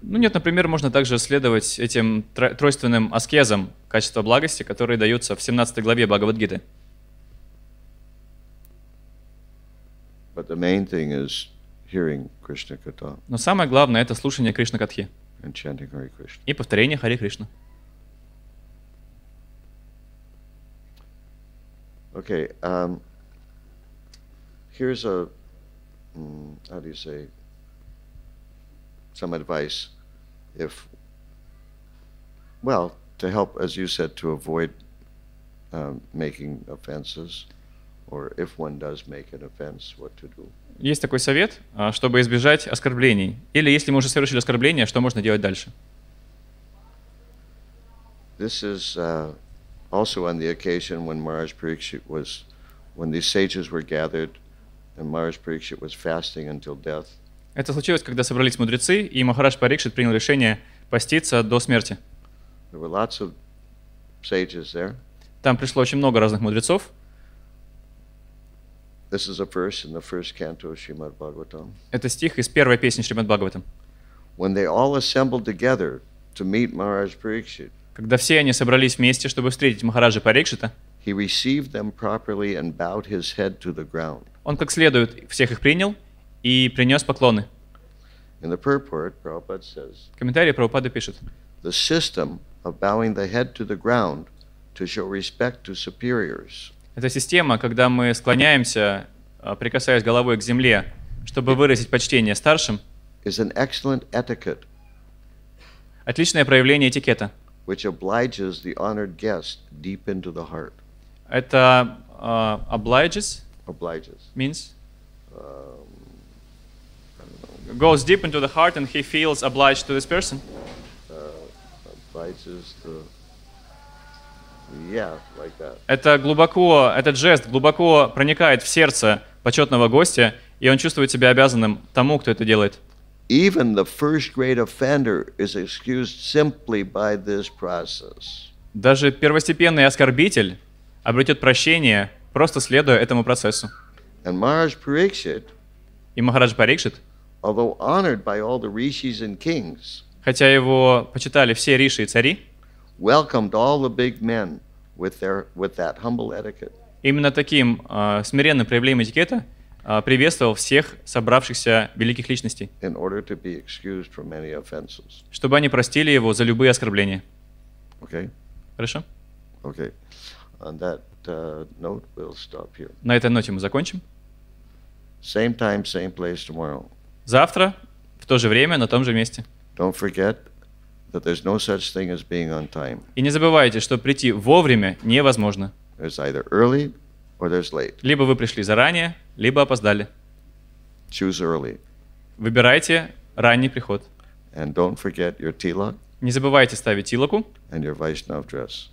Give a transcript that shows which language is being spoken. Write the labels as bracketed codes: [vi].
[ru] Ну нет, например, можно также следовать этим тройственным аскезам качества благости, которые даются в 17 главе Бхагавад-гиты. [en] But the main thing is hearing Krishna Katha. [ru] Но самое главное — это слушание Кришна Катхи. [en] And chanting Hare Krishna. [ru] И повторение Хари Кришна. [en] Okay, here's a how do you say some advice if well to help as you said to avoid making offenses or if one does make an offense what to do. [ru] Есть такой совет, чтобы избежать оскорблений, или если мы уже совершили оскорбление, что можно делать дальше? [en] This is also on the occasion when Maharaj Parikshit was when these sages were gathered and Maharaj Parikshit was fasting until death. [ru] Это случилось, когда собрались мудрецы, и Махарадж Парикшит принял решение поститься до смерти. [en] There were lots of sages there. [ru] Там пришло очень много разных мудрецов. [en] This is a verse in the first canto of Shrimad Bhagavatam. [ru] Это стих из первой песни Шримад Бхагаватам. [en] When they all assembled together to meet Maharaj Parikshit. [ru] Когда все они собрались вместе, чтобы встретить Махараджа Парикшита, [en] he received them properly and bowed his head to the ground. [ru] Он как следует всех их принял и принес поклоны. [en] In the purport, Prabhupada says, [ru] в комментарии Прабхупада пишет, [en] the system of bowing the head to the ground to show respect to superiors. [ru] Это система, когда мы склоняемся, прикасаясь головой к земле, чтобы выразить почтение старшим, [en] is an excellent etiquette. [ru] Отличное проявление этикета. [en] Which obliges the honored guest deep into the heart. [ru] Это obliges. [en] Obliges. Means. Goes deep into the heart, and he feels obliged to this person. Obliges the. Yeah, like that. [ru] Это глубоко, этот жест глубоко проникает в сердце почетного гостя, и он чувствует себя обязанным тому, кто это делает. [en] Even the first grade offender is excused simply by this process. [ru] Даже первостепенный оскорбитель обретет прощение, просто следуя этому процессу. [en] And Maharaj Parikshit, [ru] и Махарадж Парикшит, [en] although honored by all the rishis and kings, [ru] хотя его почитали все риши и цари, [en] welcomed all the big men with that humble etiquette. [ru] Именно таким смиренным проявлением этикета приветствовал всех собравшихся великих личностей, [en] in order to be excused from any offenses. [ru] Чтобы они простили его за любые оскорбления. [en] Okay. [ru] Хорошо? [en] Okay. On that, note we'll stop here. [ru] На этой ноте мы закончим. [en] Same time, same place tomorrow. [ru] Завтра, в то же время, на том же месте. [en] Don't forget that there's no such thing as being on time. [ru] И не забывайте, что прийти вовремя невозможно. [en] It's either early or there's late. [ru] Либо вы пришли заранее, либо опоздали. [en] Choose early. [ru] Выбирайте ранний приход. [en] And don't forget your tilak. [ru] Не забывайте ставить тилаку. [en] And your Vaishnav dress.